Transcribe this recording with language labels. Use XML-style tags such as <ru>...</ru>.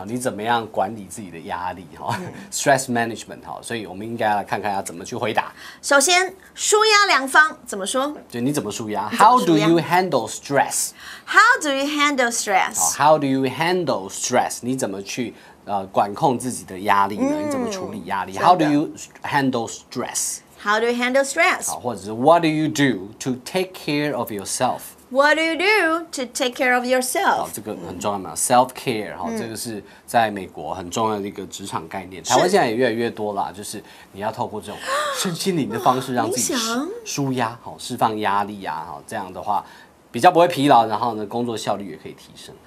<zh>你怎么样管理自己的压力、</zh> <en>Stress management</en> <zh>所以我们应该来看看要怎么去回答。首先，舒压良方怎么说？对，你怎么舒压</zh> <en>？How do you handle stress? How do you handle stress? How do you handle stress?</en> <zh>你怎么去管控自己的压力呢？你怎么处理压力</zh> <en>？How do you handle stress? How do you handle stress?</en> <zh>或者是</zh> <en>What do you do to take care of yourself? What do you do to take care of yourself?、</en> <zh>这个很重要嘛、self-care、这个是在美国很重要的一个职场概念。台湾现在也越来越多了，就是你要透过这种身心灵的方式让自己舒压、释放压力啊、这样的话比较不会疲劳，然后呢工作效率也可以提升。</zh>